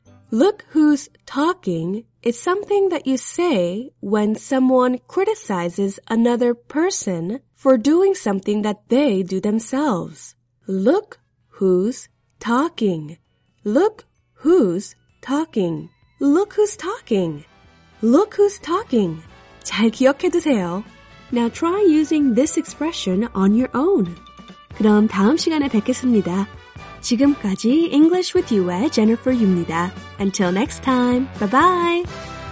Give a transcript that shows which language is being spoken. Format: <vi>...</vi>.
<en>Look who's talking is something that you say when someone criticizes another person for doing something that they do themselves. Look who's talking. Look who's talking. Look who's talking. Look who's talking.</en> <ko>잘 기억해두세요.</ko> <en>Now try using this expression on your own.</en> <ko>그럼 다음 시간에 뵙겠습니다. 지금까지 English with You의 Jennifer 유입니다.</ko> <en>Until next time, bye-bye!</en>